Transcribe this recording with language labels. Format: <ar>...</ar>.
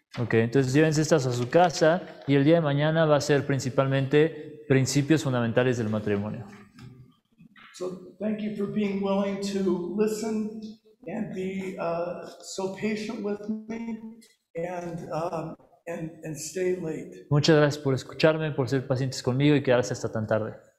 <es>Okay, entonces llévense estas a su casa, y el día de mañana va a ser principalmente principios fundamentales del matrimonio.</es> <en>So thank you for being willing to listen and be so patient with me, and stay late.</en> <es>Muchas gracias por escucharme, por ser pacientes conmigo y quedarse hasta tan tarde.</es>